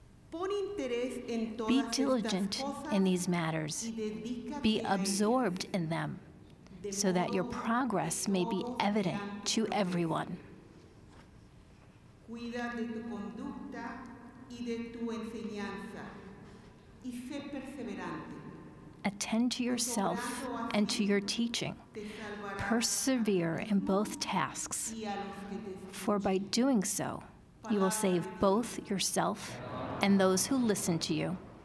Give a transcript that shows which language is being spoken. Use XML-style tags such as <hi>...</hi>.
<en>Be diligent in these matters. Be absorbed in them so that your progress may be evident to everyone.</en> <es>Cuida de tu conducta y de tu enseñanza y sé perseverante.</es> <en>Attend to yourself and to your teaching. Persevere in both tasks, for by doing so, you will save both yourself and those who listen to you.</en>